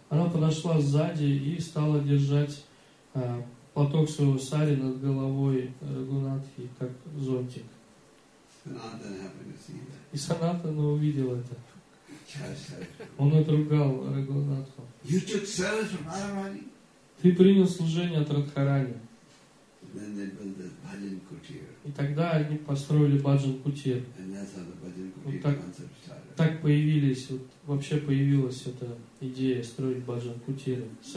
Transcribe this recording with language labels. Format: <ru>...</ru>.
<ru>Она подошла сзади и стала держать поток своего сари над головой Рагунатхи, как зонтик.</ru> <en>Санатана happened to see that.</en> <ru>И Санатана увидел это. Он отругал Рагунатху.</ru> <en>You took service from Radharani?</en> <ru>Ты принял служение от Радхарани.</ru> <en>And then they built the bhajan kutir.</en> <ru>И тогда они построили bhajan kutir.</ru> <en>And that's how the bhajan kutir concept started.</en> <ru>Так появились, вот вообще появилась эта идея строить баджан кутиры с</ru>